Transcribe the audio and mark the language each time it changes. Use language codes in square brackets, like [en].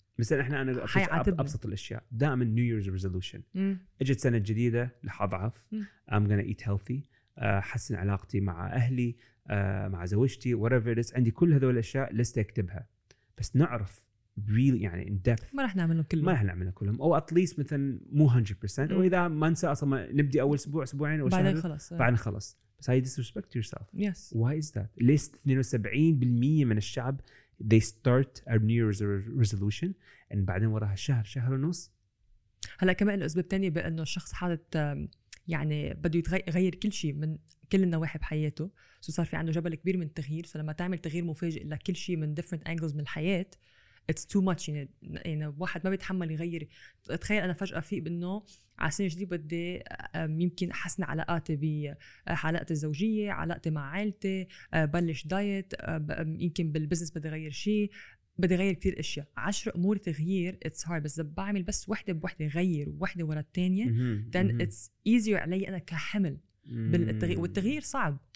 [ar] مثلا احنا انا ابسط الاشياء دائما [en] new year's resolution [ar] اجت سنه جديده لحضعف [en] I'm gonna eat healthy [ar] حسن علاقتي مع أهلي مع زوجتي [en] whatever it is [ar] عندي كل هذول الأشياء لست أكتبها بس نعرف really يعني [en] in depth [ar] ما رح نعملهم كلهم ما رح نعملهم كلهم أو at least مثلا مو 100% وإذا ما ننسى أصلا نبدي أول أسبوع أسبوعين بعدين خلاص بعدين خلاص بس هاي [en] disrespect yourself yes why is that [ar] ليست 72% من الشعب [en] they start a new resolution and [ar] بعدين وراها شهر شهر ونص هلأ كمان الأسباب تانية بأنه الشخص حالت يعني بده يغير كل شيء من كل النواحي بحياته سو صار في عنده جبل كبير من التغيير فلما تعمل تغيير مفاجئ لكل شيء من [en] different angles [ar] من الحياة [en] it's too much [ar] يعني واحد ما بيتحمل يغير تخيل أنا فجأة فيه بأنه على سنة جديدة بدي يمكن أحسن علاقاتي بحلقتي الزوجية علاقتي مع عائلتي بلش دايت يمكن بالبزنس بدي غير شيء بدي غير كتير أشياء 10 أمور تغيير [en] it's hard [ar] بس بعمل بس واحدة بوحدة غير واحدة ورا التانية [en] then it's easier [ar] علي أنا كحمل بالتغيير والتغيير صعب